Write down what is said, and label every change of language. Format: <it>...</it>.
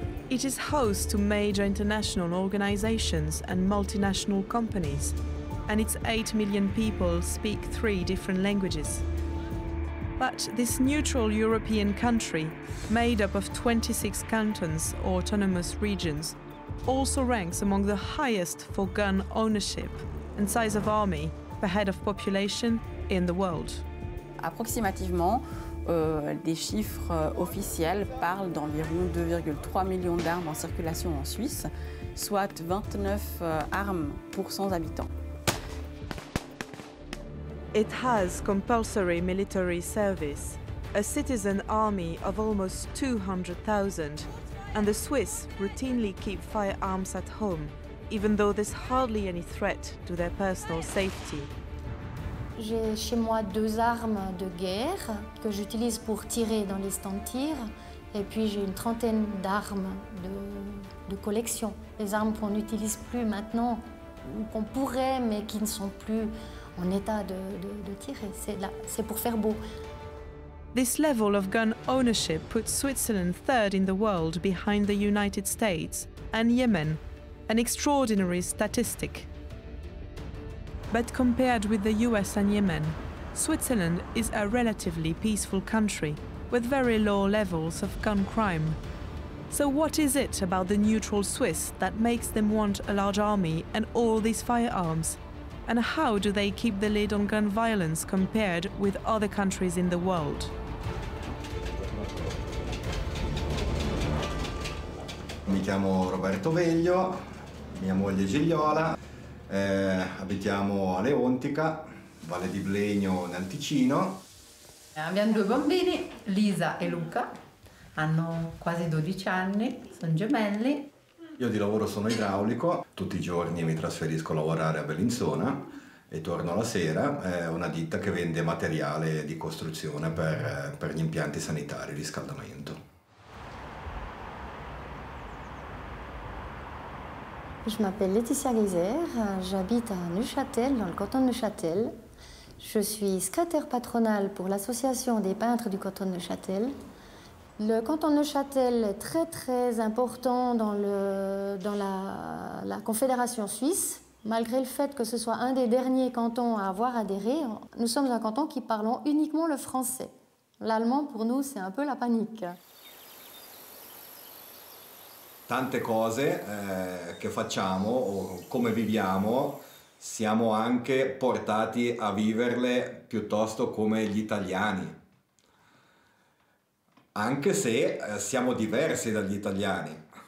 <en>It is host to major international organizations and multinational companies, and its 8 million people speak 3 different languages. But this neutral European country, made up of 26 cantons or autonomous regions, also ranks among the highest for gun ownership and size of army per head of population in the world.</en> <fr>Approximativement, des chiffres officiels parlent d'environ 2,3 millions d'armes en circulation en Suisse, soit 29 armes pour 100 habitants.</fr> <en>It has compulsory military service, a citizen army of almost 200,000, and the Swiss routinely keep firearms at home, even though there's hardly any threat to their personal safety.</en> <fr>J'ai chez moi 2 armes de guerre que j'utilise pour tirer dans les stands de tir, et puis j'ai une trentaine d'armes de collection, les armes qu'on n'utilise plus maintenant, ou qu'on pourrait, mais qui ne sont plus en état de tirer. C'est pour faire beau.</fr> <en>This level of gun ownership puts Switzerland third in the world behind the United States and Yemen, an extraordinary statistic. But compared with the US and Yemen, Switzerland is a relatively peaceful country with very low levels of gun crime. So what is it about the neutral Swiss that makes them want a large army and all these firearms? And how do they keep the lid on gun violence compared with other countries in the world?</en> <it>Mi chiamo Roberto Veglio, mia moglie Gigliola. Abitiamo a Leontica, Valle di Blegno, nel Ticino. Abbiamo 2 bambini, Lisa e Luca, hanno quasi 12 anni, sono gemelli. Io di lavoro sono idraulico, tutti i giorni mi trasferisco a lavorare a Bellinzona e torno la sera, è una ditta che vende materiale di costruzione per gli impianti sanitari, riscaldamento.</it> <fr>Je m'appelle Laetitia Geyser, j'habite à Neuchâtel, dans le canton de Neuchâtel. Je suis secrétaire patronale pour l'association des peintres du canton de Neuchâtel. Le canton de Neuchâtel est très très important dans la Confédération suisse, malgré le fait que ce soit un des derniers cantons à avoir adhéré. Nous sommes un canton qui parlons uniquement le français. L'allemand, pour nous, c'est un peu la panique.</fr> <it>Tante cose che facciamo o come viviamo, siamo anche portati a viverle piuttosto come gli italiani. Anche se siamo diversi dagli italiani.</it>